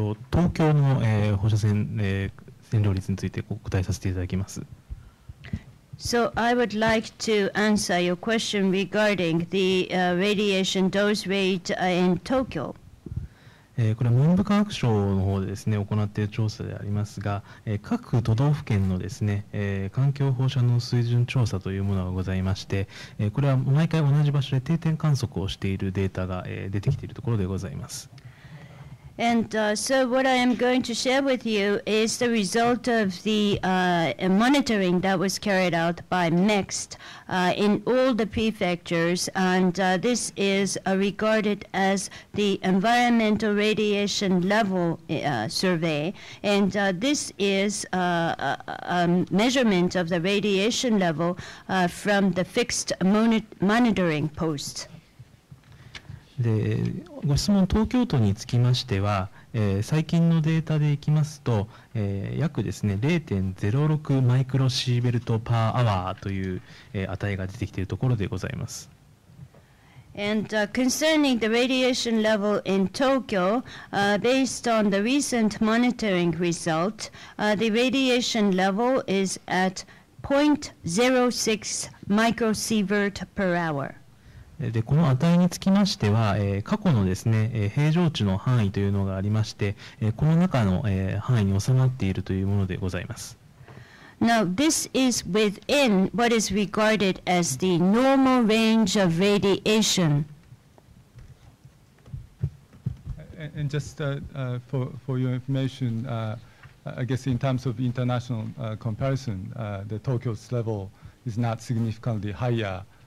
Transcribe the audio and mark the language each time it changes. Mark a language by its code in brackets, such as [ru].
[ja] Tokyo の放射線線量率について答えさせていただきます。 [en] So I would like to answer your question regarding the radiation dose rate in Tokyo. [ja] これは文部科学省の方でですね行っている調査でありますが、各都道府県のですね環境放射能水準調査というものがございまして、これは毎回同じ場所で定点観測をしているデータが出てきているところでございます。 [en] And so what I am going to share with you is the result of the monitoring that was carried out by MEXT in all the prefectures. And this is regarded as the environmental radiation level survey. And this is a measurement of the radiation level from the fixed monitoring post. [ja] でご質問、東京都につきましては、最近のデータでいきますと、約ですね 0.06 マイクロシーベルトパーアワーという、値が出てきているところでございます。 [en] And concerning the radiation level in Tokyo, based on the recent monitoring result, the radiation level is at 0.06 microsievert per hour. [ja] でこの値につきましては、過去のですね、平常値の範囲というのがありまして、この中の、範囲に収まっているというものでございます。 [en] Now, this is within what is regarded as the normal range of radiation. And just for your information, I guess in terms of international comparison, the Tokyo's level is not significantly higher.